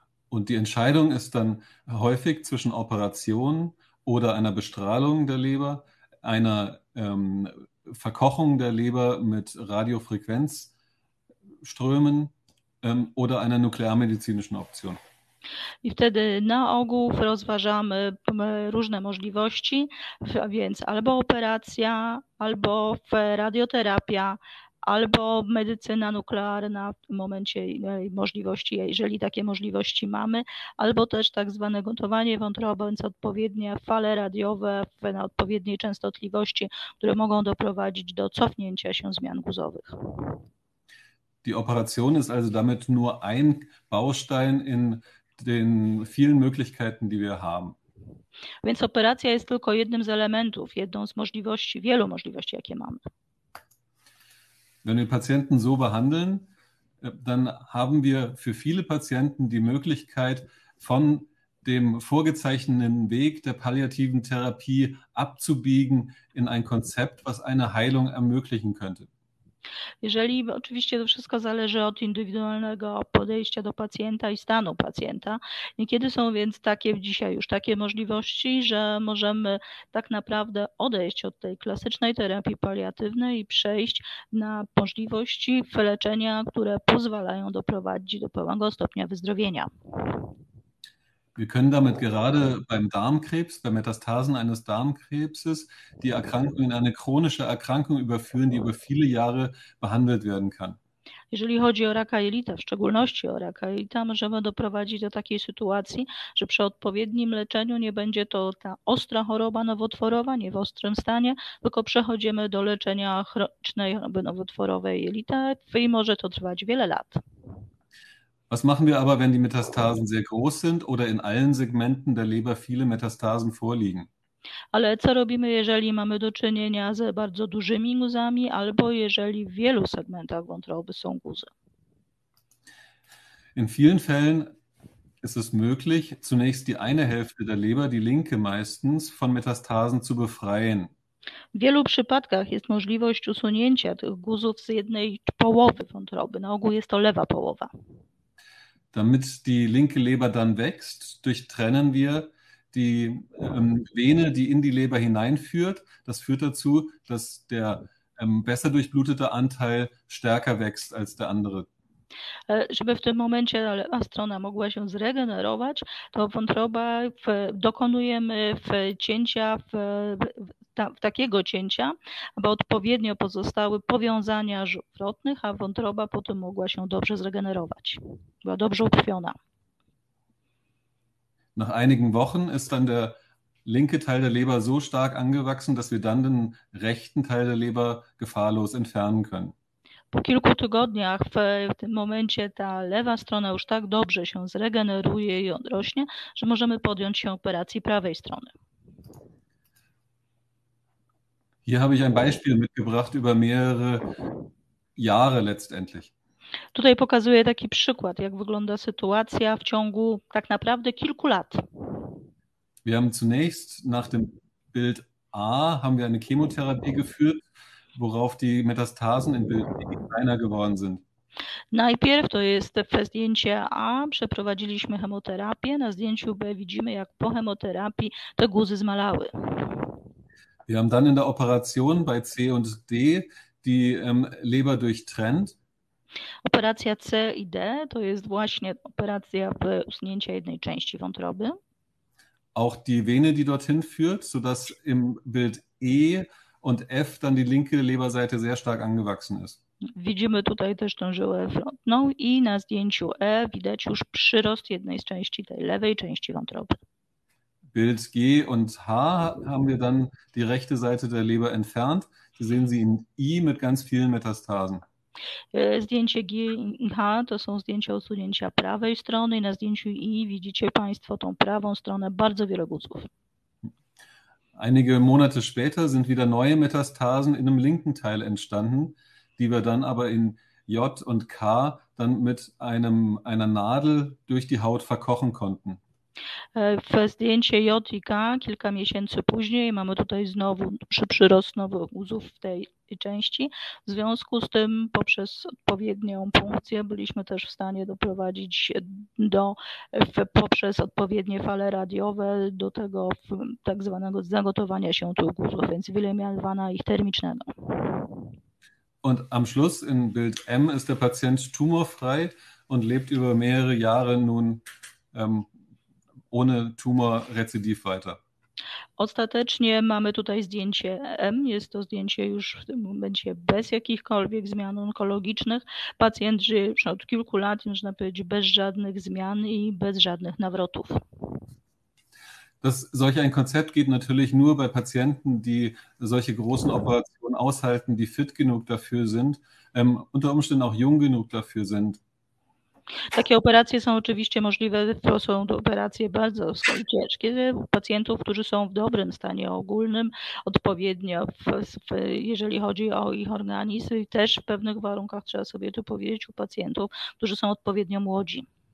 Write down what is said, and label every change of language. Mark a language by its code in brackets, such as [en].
[de] Und die Entscheidung ist dann häufig zwischen Operation oder einer Bestrahlung der Leber, einer Verkochung der Leber mit Radiofrequenzströmen oder einer nuklearmedizinischen Option. [pl] I wtedy na ogół rozważamy różne możliwości, więc albo operacja, albo radioterapia, albo medycyna nuklearna w momencie możliwości, jeżeli takie możliwości mamy, albo też tak zwane gotowanie wątroby, więc odpowiednie fale radiowe na odpowiedniej częstotliwości, które mogą doprowadzić do cofnięcia się zmian guzowych. [de] Die Operation ist also damit nur ein Baustein in den vielen Möglichkeiten, die wir haben. [pl] Więc operacja jest tylko jednym z elementów, jedną z możliwości, wielu możliwości, jakie mamy. [de] Wenn wir Patienten so behandeln, dann haben wir für viele Patienten die Möglichkeit, von dem vorgezeichneten Weg der palliativen Therapie abzubiegen in ein Konzept, was eine Heilung ermöglichen könnte. [pl] Jeżeli oczywiście to wszystko zależy od indywidualnego podejścia do pacjenta i stanu pacjenta, niekiedy są więc takie dzisiaj już takie możliwości, że możemy tak naprawdę odejść od tej klasycznej terapii paliatywnej i przejść na możliwości leczenia, które pozwalają doprowadzić do pełnego stopnia wyzdrowienia. [de] Wir können damit gerade beim Darmkrebs, bei Metastasen eines Darmkrebses, die Erkrankung in eine chronische Erkrankung überführen, die über viele Jahre behandelt werden kann. [pl] Jeżeli chodzi o raka jelita, w szczególności o raka jelita, możemy doprowadzić do takiej sytuacji, że przy odpowiednim leczeniu nie będzie to ta ostra choroba nowotworowa, nie w ostrym stanie, tylko przechodzimy do leczenia chronicznej choroby nowotworowej jelita i może to trwać wiele lat. [de] Was machen wir aber, wenn die Metastasen sehr groß sind oder in allen Segmenten der Leber viele Metastasen vorliegen? [pl] Ale co robimy, jeżeli mamy do czynienia z bardzo dużymi guzami, albo jeżeli w wielu segmentach wątroby są guzy? [de] In vielen Fällen ist es möglich, zunächst die eine Hälfte der Leber, die linke meistens, von Metastasen zu befreien. [pl] Wielu przypadkach jest możliwość usunięcia tych guzów z jednej połowy wątroby. Na ogół jest to lewa połowa. [de] Damit die linke Leber dann wächst, durchtrennen wir die Vene, die in die Leber hineinführt. Das führt dazu, dass der besser durchblutete Anteil stärker wächst als der andere. [pl] Żeby w tym momencie lewa strona mogła się zregenerować, to wątroba dokonujemy w cięcia, takiego cięcia, aby odpowiednio pozostały powiązania żywotnych, a wątroba potem mogła się dobrze zregenerować, była dobrze utrwiona. [de] Nach einigen Wochen ist dann der linke Teil der Leber so stark angewachsen, dass wir dann den rechten Teil der Leber gefahrlos entfernen können. [pl] Po kilku tygodniach w tym momencie ta lewa strona już tak dobrze się zregeneruje i odrośnie, że możemy podjąć się operacji prawej strony. [de] Hier habe ich ein Beispiel mitgebracht über mehrere Jahre letztendlich. [pl] Tutaj pokazuję taki przykład, jak wygląda sytuacja w ciągu tak naprawdę kilku lat. [de] Wir haben zunächst nach dem Bild A haben wir eine Chemotherapie geführt, worauf die Metastasen in Bild B kleiner geworden sind. [pl] Najpierw to jest zdjęcie A, przeprowadziliśmy chemoterapię. Na zdjęciu B widzimy, jak po chemoterapii te guzy zmalały. [de] Wir haben dann in der Operation bei C und D die Leber durchtrennt. [pl] Operacja C i D to jest właśnie operacja usunięcia jednej części wątroby. [de] Auch die Vene, die dorthin führt, sodass im Bild E und F dann die linke Leberseite sehr stark angewachsen ist. [pl] Widzimy tutaj też tę żyłę frontną i na zdjęciu E widać już przyrost jednej z części, tej lewej części wątroby. [de] Bild G und H haben wir dann die rechte Seite der Leber entfernt. Sie sehen sie in I mit ganz vielen Metastasen. [pl] Zdjęcie G i H to są zdjęcia usunięcia prawej strony. Na zdjęciu I widzicie Państwo tą prawą stronę bardzo wiele guzów. [de] Einige Monate später sind wieder neue Metastasen in dem linken Teil entstanden, die wir dann aber in J und K dann mit einer Nadel durch die Haut verkochen konnten. [pl] W zdjęcie J i K kilka miesięcy później mamy tutaj znowu przyrost nowych guzów w tej części. W związku z tym poprzez odpowiednią punkcję byliśmy też w stanie doprowadzić poprzez odpowiednie fale radiowe do tego tak zwanego zagotowania się tych guzów, więc wyeliminowania ich termicznego. [de] Und am Schluss in Bild M ist der Patient tumorfrei und lebt über mehrere Jahre nun ohne Tumorrezidiv weiter. [pl] Ostatecznie mamy tutaj zdjęcie M. Jest to zdjęcie już w tym momencie bez jakichkolwiek zmian onkologicznych. Pacjent żyje już od kilku lat, można powiedzieć, bez żadnych zmian i bez żadnych nawrotów. [de] Das, solch ein Konzept geht natürlich nur bei Patienten, die solche großen Operationen aushalten, die fit genug dafür sind, unter Umständen auch jung genug dafür sind. [pl] Takie operacje są oczywiście możliwe, to są operacje bardzo ciężkie pacjentów, którzy są w dobrym stanie ogólnym, odpowiednio, jeżeli chodzi o ich organizm, i też w pewnych warunkach trzeba sobie to powiedzieć u pacjentów, którzy są odpowiednio młodzi.